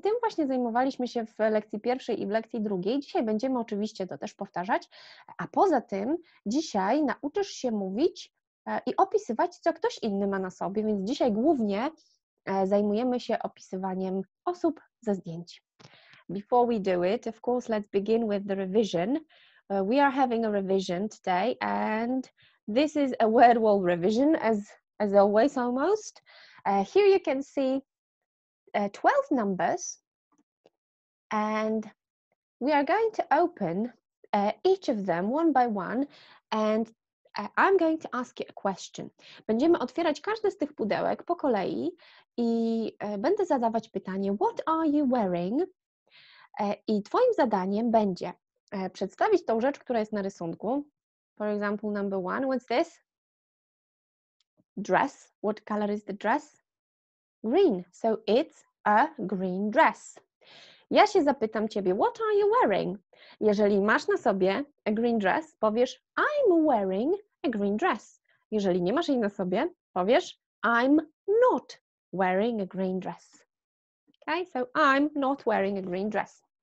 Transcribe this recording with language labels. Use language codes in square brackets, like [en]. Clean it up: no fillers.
[pl] Tym właśnie zajmowaliśmy się w lekcji pierwszej i w lekcji drugiej. Dzisiaj będziemy oczywiście to też powtarzać. A poza tym, dzisiaj nauczysz się mówić i opisywać, co ktoś inny ma na sobie, więc dzisiaj głównie zajmujemy się opisywaniem osób ze zdjęć. [en] Before we do it, of course, let's begin with the revision. We are having a revision today, and this is a word wall revision, as always, almost. Here you can see 12 numbers, and we are going to open each of them one by one, and I'm going to ask you a question. [pl] Będziemy otwierać każde z tych pudełek po kolei i będę zadawać pytanie, [en] what are you wearing? [pl] I twoim zadaniem będzie przedstawić tą rzecz, która jest na rysunku. [en] For example, number one, what's this? Dress. What color is the dress? Green. So it's a green dress. [pl] Ja się zapytam ciebie, [en] what are you wearing? [pl] Jeżeli masz na sobie [en] a green dress, [pl] powiesz, [en] I'm wearing a green dress. [pl] Jeżeli nie masz jej na sobie, powiesz, [en] I'm not wearing a green dress. Okay, so I'm not wearing a green dress.